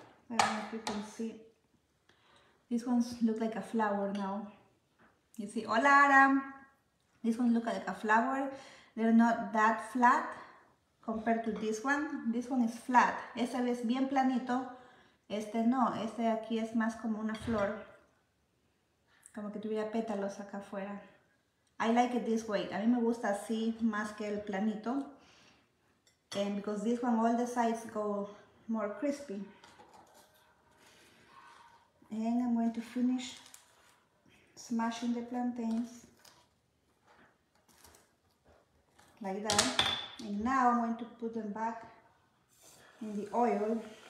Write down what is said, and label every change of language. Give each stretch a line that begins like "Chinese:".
English: I don't know if you can see. This one looks like a flower now. You see, hola, Aram. This one looks like a flower. They're not that flat compared to this one. This one is flat.
Spanish: Este es bien planito. Este no. Este de aquí es más como una flor. Como que tuviera pétalos acá afuera.
English: I like it this way.
Spanish: A mí me gusta así más que el planito.
English: And because this one, all the sides go more crispy. And I'm going to finish smashing the plantains. Like that. And now I'm going to put them back in the oil.